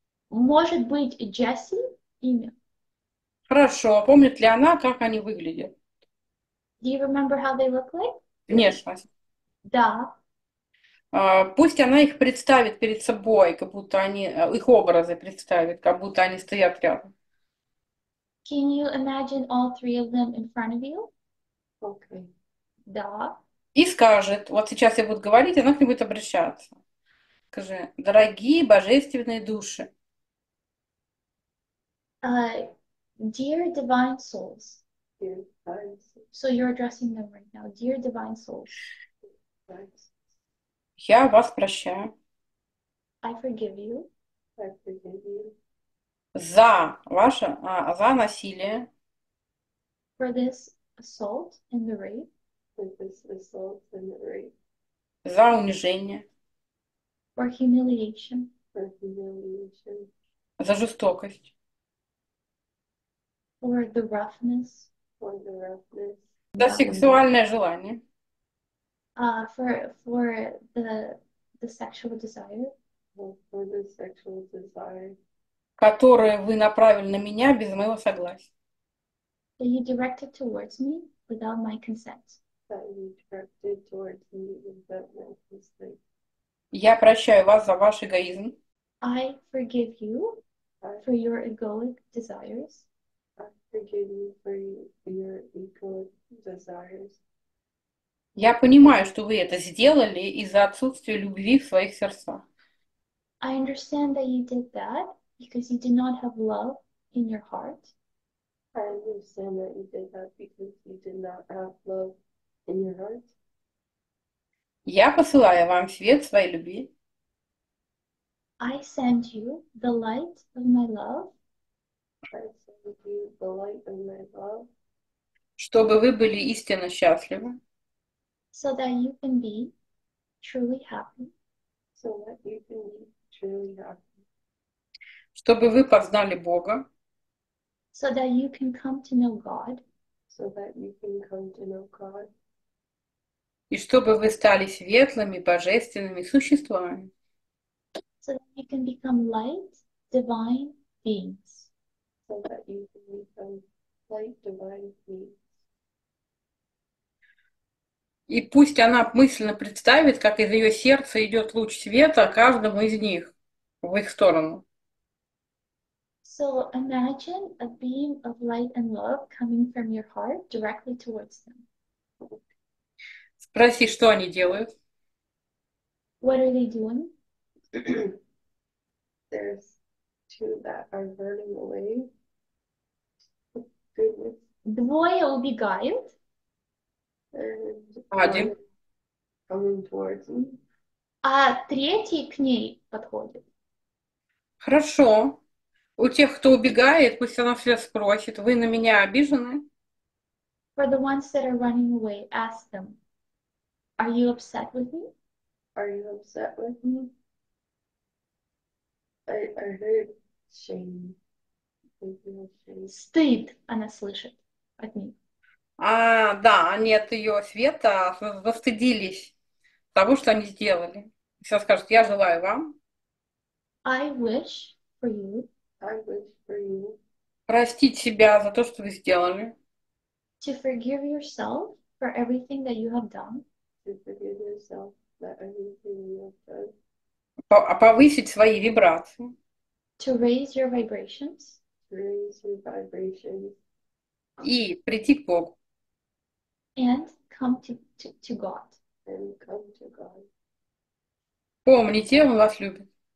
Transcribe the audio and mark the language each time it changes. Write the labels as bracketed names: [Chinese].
[Russian] Может быть, Джесси имя? Хорошо, а помнит ли она, как они выглядят? [English] Do you remember how they look like? [Russian] Внешне. Да. Пусть она их представит перед собой, как будто они, их образы представит, как будто они стоят рядом. [English] Can you imagine all three of them in front of you? Okay. [Russian] Да. И скажет, вот сейчас я буду говорить, она к ним будет обращаться. Скажи, дорогие божественные души. [English] Dear divine souls. Dear. So you're addressing them right now. Dear divine souls. [Russian] Я вас прощаю. [English] I forgive you. I forgive you. [Russian] За ваше, за насилие. [English] For this assault and the rape. For this assault and the rape. [Russian] За унижение. [English] For humiliation. For humiliation. [Russian] За жестокость. [English] For the roughness. For the roughness. [Russian] За сексуальное желание. [English] For the sexual desire. For the sexual desire. [Russian] Которое вы направили на меня без моего согласия. [English] That you directed towards me without my consent. That you directed towards me without my consent. [Russian] Я прощаю вас за ваш эгоизм. [English] I forgive you for your egoic desires. I forgive you for your egoic desires. [Russian] Я понимаю, что вы это сделали из-за отсутствия любви в своих сердцах. [English] I understand that you did that because you did not have love in your heart. I understand that you did that because you did not have love in your heart. [Russian] Я посылаю вам свет своей любви. [English] I send you the light of my love. I send you the light of my love. [Russian] Чтобы вы были истинно счастливы. [English] So that you can be truly happy. So that you can be truly happy. [Russian] Чтобы вы познали Бога. [English] So that you can come to know God. So that you can come to know God. [Russian] И чтобы вы стали светлыми, божественными существами. [English] So that you can become light, divine beings. So that you can become light, divine beings. [Russian] И пусть она мысленно представит, как из ее сердца идет луч света каждому из них в их сторону. [English] So imagine a beam of light and love coming from your heart directly towards them. [Russian] Спроси, что они делают. [English] What are they doing? There's two that are running away. Goodness. [Russian] Двое убегают. Один. [English] Coming towards me. [Russian] А третий к ней подходит. Хорошо. У тех, кто убегает, пусть она все спросит. Вы на меня обижены? [English] For the ones that are running away, ask them. Are you upset with me? Are you upset with me? I heard shame. I feel shame. [Russian] Стыд она слышит от них. А, да, они от ее света застыдились того, что они сделали. Сейчас скажут, я желаю вам. [English] I wish for you. I wish for you. [Russian] Простить себя за то, что вы сделали. [English] To forgive yourself for everything that you have done. To forgive yourself for everything you have done. [Russian] Повысить свои вибрации. [English] To raise your vibrations. Raise your vibrations. [Russian] И прийти к Богу. [English] And come to God. And come to God. [Russian] Помните, Он вас любит.